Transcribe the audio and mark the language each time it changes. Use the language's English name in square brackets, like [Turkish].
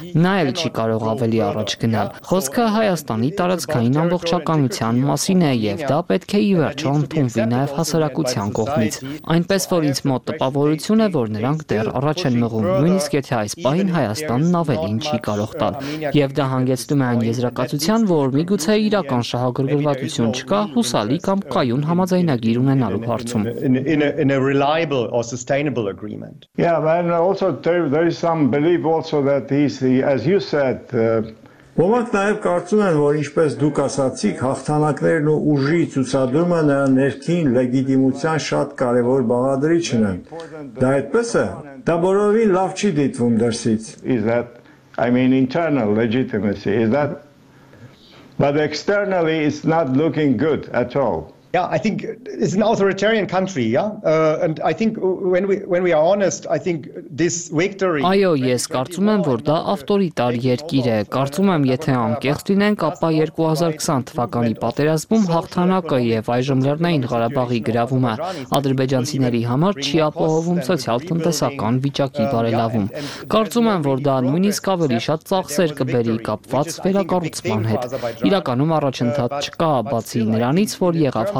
[Armenian] նա էլ չի կարող ավելի առաջ գնալ։ Խոսքը Հայաստանի տարածքային ամբողջականության մասին ինը եւ դա պետք է ի վերջո ընդունվի նաեւ հասարակության կողմից, այնպես որ ինձ մոտ տպավորություն է, որ նրանք դեռ առաջ են մղում, նույնիսկ եթե այս պահին Հայաստանն ավելին չի կարող տալ, եւ դա հանգեցնում է այն եզրակացության, որ միգուցե իրական շահագրգռվածություն չկա հուսալի կամ կայուն համաձայնագիր ունենալու հարցում։ [English] In a reliable or sustainable agreement. Yeah, and also there is some belief also that this, as you said, [Armenian] Ոմանք նաև կարծում են, որ ինչպես դուք ասացիք, հաղթանակներն ու ուժի ցուցադրումը նրա ներքին լեգիտիմության շատ կարևոր բաղադրիչն են։ Դա այդպես է, դա բոլորովին լավ չի դիտվում դրսից։ [English] Is that, I mean, internal legitimacy, is that, but externally it's not looking good at all. Yeah, I think it's an authoritarian country, yeah? And I think when we are honest, I think this victory. [Armenian] Այո, ես կարծում եմ, որ դա ավտորիտար երկիր է։ Կարծում եմ, եթե անկեղծ լինենք, ապա 2020 թվականի պատերազմում հաղթանակը եւ այժմ Լեռնային Ղարաբաղի գրավումը ադրբեջանցիների համար չի ապահովում սոցիալ-տնտեսական վիճակի բարելավում։ Կարծում եմ, որ դա նույնիսկ ավելի շատ ծախսեր կբերի կապված վերակառուցման հետ։ Իրականում առաջընթաց չկա, բացի նրանից, որ եղավ